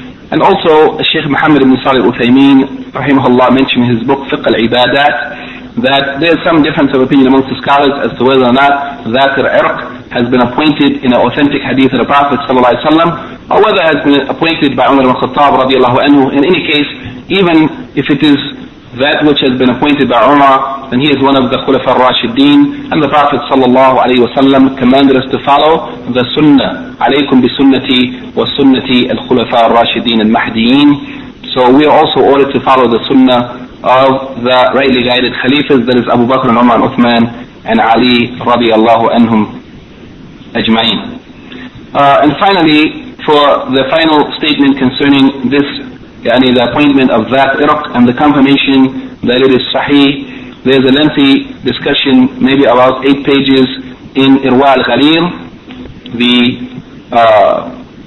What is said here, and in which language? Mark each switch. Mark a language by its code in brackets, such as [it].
[en] And also, Sheikh Muhammad ibn Salih al-Uthaymeen, rahimahullah, mentioned in his book, Fiqh al-Ibadat, that there is some difference of opinion amongst the scholars as to whether or not Zakir Irq has been appointed in an authentic hadith of the Prophet sallallahu alaihi wasallam, or whether it has been appointed by Umar ibn Khattab radiallahu anhu. In any case, even if it is that which has been appointed by Umar, then he is one of the Khulafa al-Rashideen, and the Prophet sallallahu alaihi wasallam commanded us to follow the Sunnah. [ar] عليكم بسنتي وسنة الخلفاء الراشدين المهديين. [en] So we are also ordered to follow the sunnah of the rightly guided khalifas, that is Abu Bakr and Umar and Uthman and Ali [ar] رضي الله عنهم أجمعين. [en] And finally, for the final statement concerning this, the appointment of that irq and the confirmation that it is sahih, there is a lengthy discussion, maybe about 8 pages, in Irwa al-Ghalil, the